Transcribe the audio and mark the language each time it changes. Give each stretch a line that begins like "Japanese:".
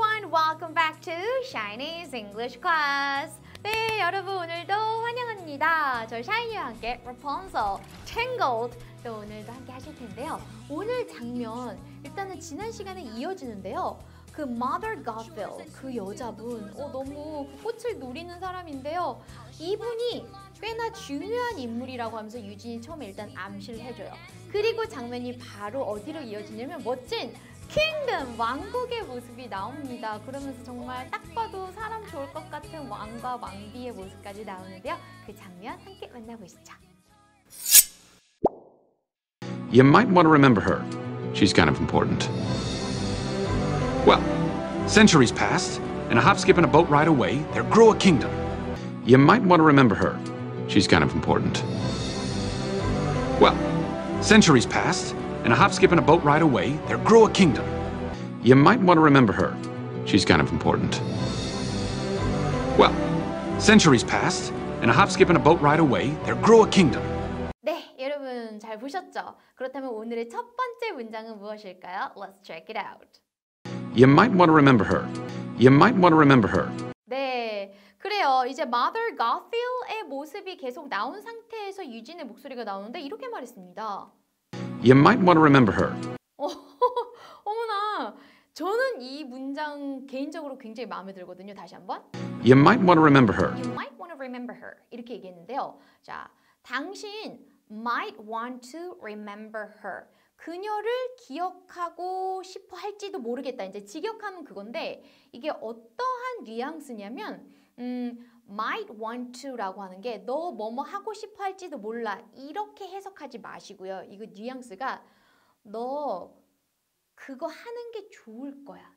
English: welcome back to Shiny's English Class.
Korean: 네, 여러분 오늘도 환영합니다. 저 샤이니와 함께 Rapunzel, Tangled 또 오늘도 함께 하실 텐데요. 오늘 장면, 일단은 지난 시간에 이어지는데요. 그 Mother Gothel, 그 여자분, 너무 꽃을 누리는 사람인데요. 이분이 꽤나 중요한 인물이라고 하면서 유진이 처음에 일단 암시를 해줘요. 그리고 장면이 바로 어디로 이어지냐면 멋진 킹덤, 왕국의 모습이 나옵니다. 그러면서 정말 딱 봐도 사람 좋을 것 같은 왕과 왕비의 모습까지 나오는데요. 그 장면 함께 만나보시죠.
English: You might want to remember her. She's kind of important. Well, centuries passed, and a hop, skip, and a boat ride away, there grew a kingdom. You might want to remember her. She's kind of important. Well, centuries passed, and a hop, skip, and a boat ride away, there grew a kingdom. You might want to remember her. She's kind of important. Well, centuries passed, and a hop, skip, and a boat ride away, there grew a kingdom.
Korean: 네, 여러분 잘 보셨죠? 그렇다면 오늘의 첫 번째 문장은 무엇일까요?
English: Let's check it out. You might want to remember her. You might want to remember her.
Korean: 네, 그래요. 이제 Mother Gothel의 모습이 계속 나온 상태에서 유진의 목소리가 나오는데 이렇게 말했습니다.
English: You might want to remember her.
Korean: 어머나, 저는 이 문장 개인적으로 굉장히 마음에 들거든요. 다시 한번.
English: You might want to remember her. You might want to remember her.
Korean: 이렇게 얘기했는데요. 자, 당신
English: might want to remember her.
Korean: 그녀를 기억하고 싶어 할지도 모르겠다. 이제 직역하면 그건데 이게 어떠한 뉘앙스냐면 might want to라고 하는 게 너 뭐뭐 하고 싶어 할지도 몰라 이렇게 해석하지 마시고요. 이거 뉘앙스가 너 그거 하는 게 좋을 거야.